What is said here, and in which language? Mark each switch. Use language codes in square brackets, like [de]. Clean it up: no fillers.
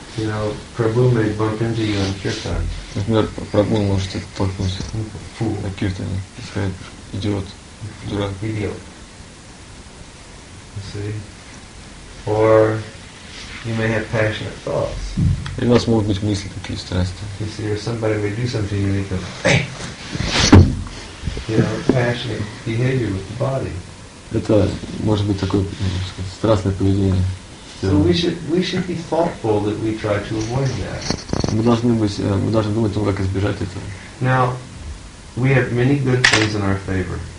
[en] You know, Prabhu may bump into you on Kirtan. [ru] Например, Prabhu может столкнуться на Киртане. Сказать, идиот, дурак. Идиот. [en] Or you may have passionate thoughts. [ru] Или у вас могут быть мысли такие страстные. [en] You see, or somebody may do something to you and you go, you know, passionate behavior with the body. [ru] Это может быть такое, сказать, страстное поведение. [en] So we should be thoughtful that we try to avoid that. [ru] Мы должны думать о том, как избежать этого. [en] Now, we have many good things in our favor.